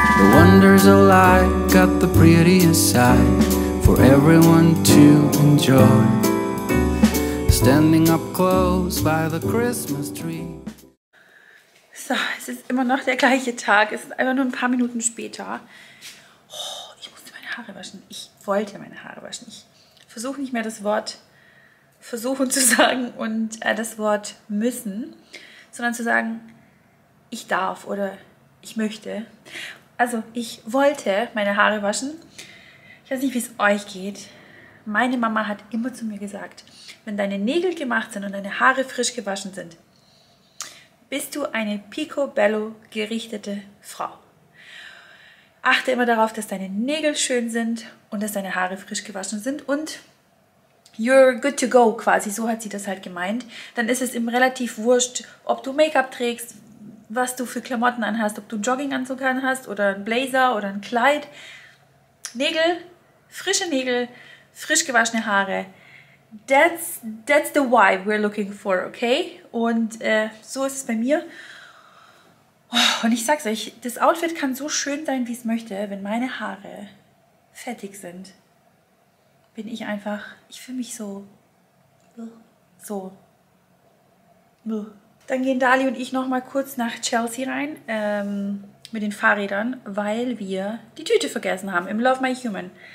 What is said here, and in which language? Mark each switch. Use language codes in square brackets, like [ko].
[en] Wonders of life got the prettiest side for everyone to enjoy. Standing up close by the Christmas tree. [de] So, es ist immer noch der gleiche Tag. Es ist einfach nur ein paar Minuten später. Oh, ich musste meine Haare waschen. Ich wollte meine Haare waschen. Ich versuche nicht mehr das Wort versuchen zu sagen und das Wort müssen, sondern zu sagen, ich darf oder ich möchte. Also, ich wollte meine Haare waschen. Ich weiß nicht, wie es euch geht. Meine Mama hat immer zu mir gesagt, wenn deine Nägel gemacht sind und deine Haare frisch gewaschen sind, bist du eine picobello gerichtete Frau. Achte immer darauf, dass deine Nägel schön sind und dass deine Haare frisch gewaschen sind und [en] you're good to go [de] quasi. So hat sie das halt gemeint. Dann ist es ihm relativ wurscht, ob du Make-up trägst, was du für Klamotten anhast, ob du einen Jogginganzug anhast oder einen Blazer oder ein Kleid. Nägel, frische Nägel, frisch gewaschene Haare. [en] That's the why we're looking for, okay? [de] Und so ist es bei mir. Und ich sag's euch, das Outfit kann so schön sein, wie es möchte. Wenn meine Haare fettig sind, bin ich einfach, ich fühle mich so, so, Dann gehen Dali und ich noch mal kurz nach Chelsea rein mit den Fahrrädern, weil wir die Tüte vergessen haben im Love My Human.